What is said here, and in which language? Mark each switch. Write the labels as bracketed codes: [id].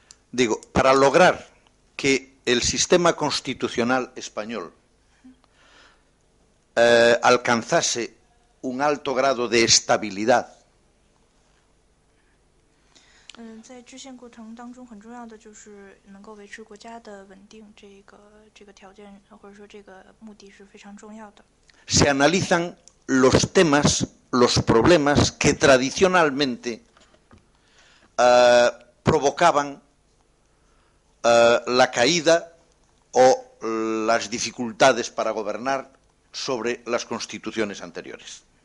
[es] Digo, para lograr que el sistema constitucional español alcanzase un alto grado de estabilidad, [zh] 在制宪过程当中很重要的就是能够维持国家的稳定，这个条件或者说这个目的是非常重要的。 [es] Se analizan los temas, los problemas que tradicionalmente provocaban la caída o las dificultades para gobernar sobre las constituciones anteriores.